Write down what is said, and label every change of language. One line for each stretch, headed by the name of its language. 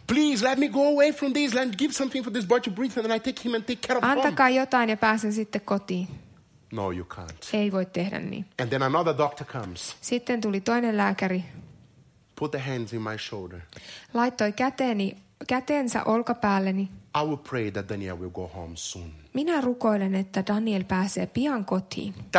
English: Please let me go away from this land. Give something for this boy to breathe and then I take him and take care of
Finnish: antakaa
English: home.
Finnish: Jotain ja pääsen sitten kotiin.
English: No, you can't.
Finnish: Ei voi tehdä niin.
English: And then another doctor comes.
Finnish: Sitten tuli toinen lääkäri.
English: Put the hands in my shoulder.
Finnish: Laittoi kätensä olkapäälleni.
English: I will pray that Daniel will go home soon.
Finnish: Minä rukoilen, että Daniel pääsee pian kotiin.